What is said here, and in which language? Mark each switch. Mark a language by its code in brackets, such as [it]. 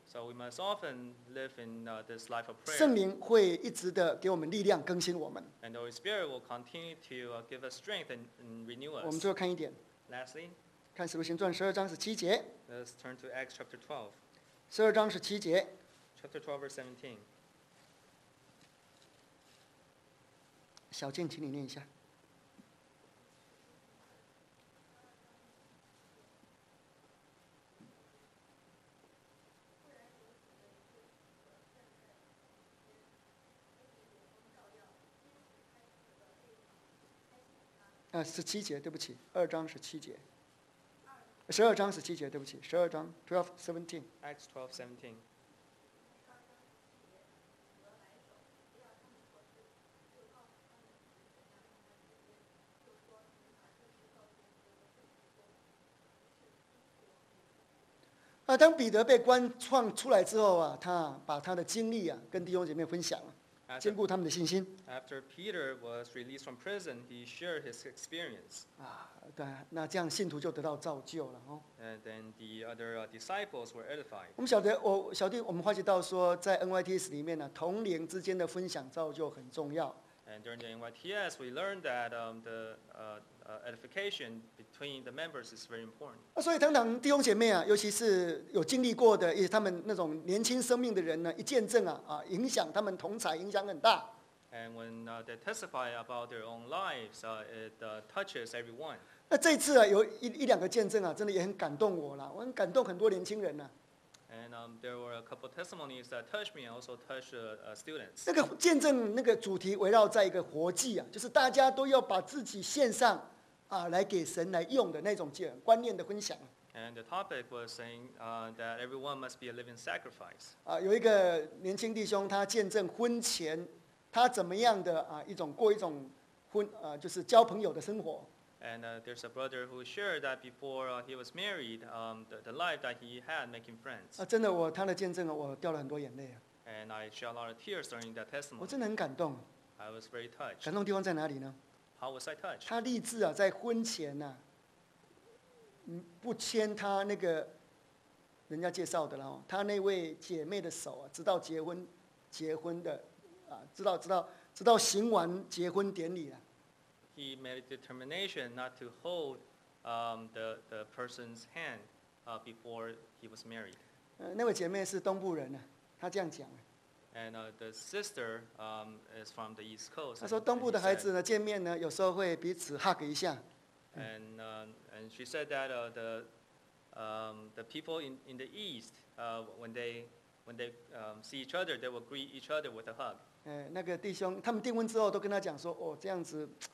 [en] So we must often live in this life of prayer. [zh] 圣灵会一直的给我们力量，更新我们。 [en] And the Holy Spirit will continue to give us strength and renew us. [zh] 我们最后看一点。 [en] Lastly, [zh] 看使徒行传十二章十七节。 [en] Let's turn to Acts chapter 12. [zh] 十二章十七节。 [en] Chapter 12, verse 17. [zh] 小静，请你念一下。十七节，对不起，二章十七节。十二章十七节，对不起，十二章 12:17。 [en] Acts 12:17。 [zh] 当彼得被关创出来之后他把他的经历跟弟兄姐妹分享了，坚固他们的信心。 [en] After Peter was released from prison, he shared his experience. [zh] 那这样信徒就得到造就了 [en] And then the other disciples were edified. [zh] 我们晓得，小弟，我们发觉到说，在 NYTS 里面同龄之间的分享造就很重要。 [en] And during the NYTS, we learned that the edification between the members is very important. [zh] 所以常常弟兄姐妹尤其是有经历过的，也是他们那种年轻生命的人一见证影响他们同侪，影响很大。 [en] And when they testify about their own lives, it touches everyone. [zh] 那这次有一两个见证真的也很感动我了，我很感动很多年轻人 [en] And there were a couple of testimonies that touched me and also touched students. [zh] 那个见证那个主题围绕在一个活祭就是大家都要把自己献上来给神来用的那种观念的分享。 [en] And the topic was saying that everyone must be a living sacrifice. [zh] 有一个年轻弟兄他见证婚前他怎么样的一种过一种婚就是交朋友的生活。 [en] And there's a brother who shared that before he was married, the life that he had making friends. [zh] 真的，他的见证我掉了很多眼泪。 [en] And I shed a lot of tears during that testimony. [zh] 我真的很感动。 [en] I was very touched. [zh] 感动地方在哪里呢 [en] ？How was I touched? [zh] 他立志在婚前不牵他那个人家介绍的了他那位姐妹的手直到结婚的直到行完结婚典礼了。 [en] He made a determination not to hold the person's hand before he was married. [zh] 那位姐妹是东部人她这样讲。 [en] And the sister is from the East Coast. [zh] 她说东部的孩子呢见面呢有时候会彼此 hug 一下。 [en] And she said that the people in the East when they see each other they will greet each other with a hug. [zh] 那个弟兄他们订婚之后都跟她讲说这样子。